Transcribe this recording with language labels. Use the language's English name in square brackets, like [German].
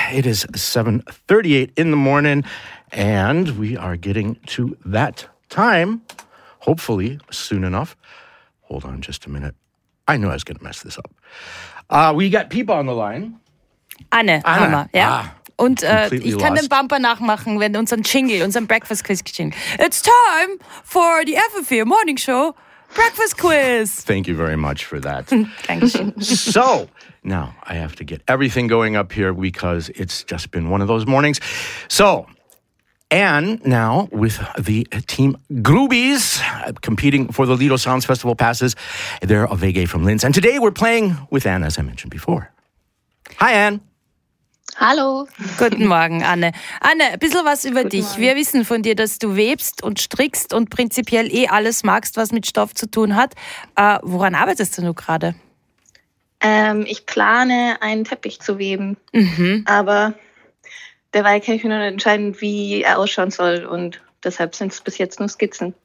[English] It is 7:38 in the morning, and we are getting to that time, hopefully soon enough. Hold on just a minute. I knew I was going to mess this up. We got Pipa on the line. Anne. Hammer, yeah. [German] Und ich kann den Bumper nachmachen, wenn unseren Jingle, unseren Breakfast Quiz Jingle. [English] It's time for the FFV Morning Show Breakfast Quiz. Thank you very much for that. Thanks. So, now, I have to get everything going up here because it's just been one of those mornings. So, Anne now with the team Groobies competing for the Lido Sounds Festival passes. They're a Vege from Linz. And today we're playing with Anne, as I mentioned before. Hi, Anne. [German] Hallo. Guten Morgen, Anne. Anne, ein bisschen was über Guten dich. Morgen. Wir wissen von dir, dass du webst und strickst und prinzipiell eh alles magst, was mit Stoff zu tun hat. Woran arbeitest du nur gerade? Ich plane, einen Teppich zu weben, aber derweil kann ich mir noch nicht entscheiden, wie er ausschauen soll und deshalb sind es bis jetzt nur Skizzen.